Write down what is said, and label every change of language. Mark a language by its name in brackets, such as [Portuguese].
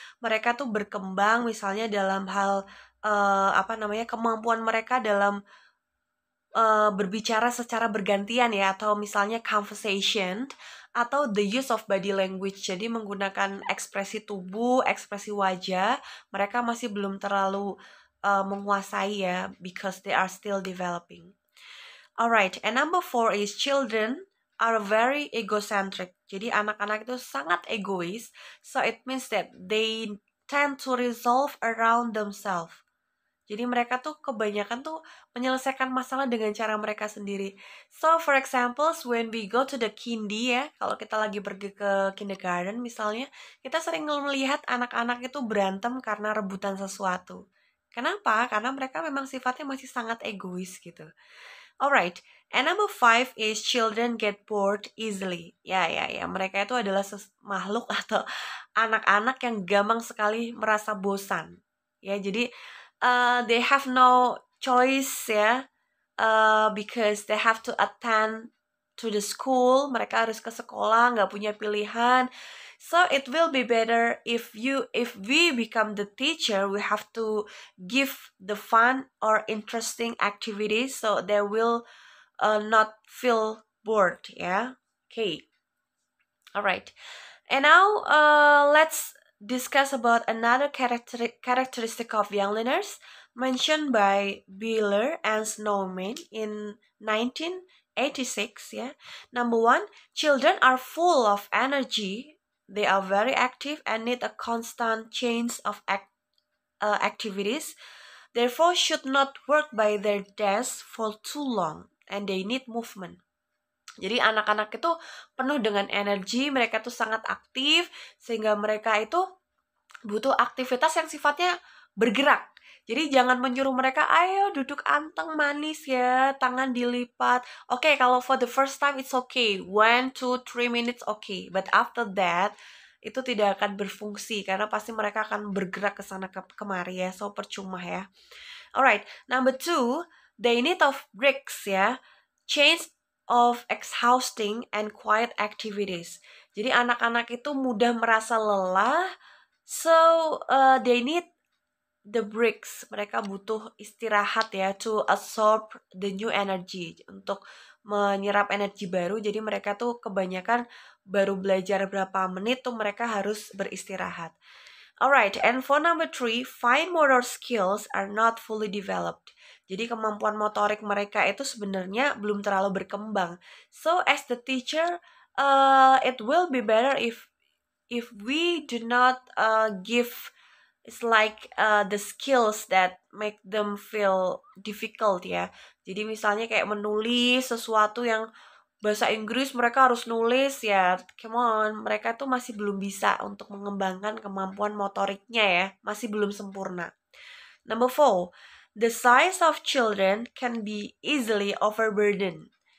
[Indonesian] Mereka tuh berkembang misalnya dalam hal kemampuan mereka dalam berbicara secara bergantian ya, atau misalnya conversation, atau [English] the use of body language, [Indonesian] jadi menggunakan ekspresi tubuh, ekspresi wajah. Mereka masih belum terlalu menguasai ya, [English] because they are still developing. Alright, and number 4 is children are very egocentric. [Indonesian] Jadi anak-anak itu sangat egois. [English] So it means that they tend to resolve around themselves. [Indonesian] Jadi mereka tuh kebanyakan tuh menyelesaikan masalah dengan cara mereka sendiri. [English] So for example, when we go to the kindy [Indonesian] ya, kalau kita lagi pergi ke kindergarten misalnya, kita sering melihat anak-anak itu berantem karena rebutan sesuatu. Kenapa? Karena mereka memang sifatnya masih sangat egois gitu. [English] Alright, and number 5 is children get bored easily. [Indonesian] Mereka itu adalah makhluk atau anak-anak yang gampang sekali merasa bosan. [English] Ya, jadi they have no choice ya, because they have to attend to the school. [Indonesian] Mereka harus ke sekolah, nggak punya pilihan. [English] So it will be better if we become the teacher, we have to give the fun or interesting activities so they will not feel bored, yeah? Okay. Alright. And now let's discuss about another characteristic of young learners mentioned by Bila and Snowman in 1986, yeah? Number 1, children are full of energy. They are very active and need a constant change of activities. Therefore, should not work by their desk for too long. And they need movement. [Indonesian] Jadi anak-anak itu penuh dengan energi. Mereka tuh sangat aktif. Sehingga mereka itu butuh aktivitas yang sifatnya bergerak. Jadi jangan menyuruh mereka, ayo duduk anteng manis ya, tangan dilipat. [English] Oke, kalau for the first time it's okay, 1, 2, 3 minutes okay. But after that, [Indonesian] itu tidak akan berfungsi, karena pasti mereka akan bergerak ke sana kemari ya, so percuma ya. [English] Alright, number 2, they need of breaks ya, change of exhausting and quiet activities. [Indonesian] Jadi anak-anak itu mudah merasa lelah, [English] so they need the breaks, [Indonesian] mereka butuh istirahat ya, [English] to absorb the new energy, [Indonesian] untuk menyerap energi baru. Jadi mereka tuh kebanyakan baru belajar berapa menit tuh mereka harus beristirahat. [English] Alright, and for number 3, fine motor skills are not fully developed. [Indonesian] Jadi kemampuan motorik mereka itu sebenarnya belum terlalu berkembang. [English] So as the teacher, it will be better if we do not give it's like the skills that make them feel difficult ya. [Indonesian] Jadi misalnya kayak menulis sesuatu yang bahasa Inggris mereka harus nulis ya. [English] Come on, [Indonesian] mereka tuh masih belum bisa untuk mengembangkan kemampuan motoriknya ya, masih belum sempurna. [English] Number four, the size of children can be easily overburdened.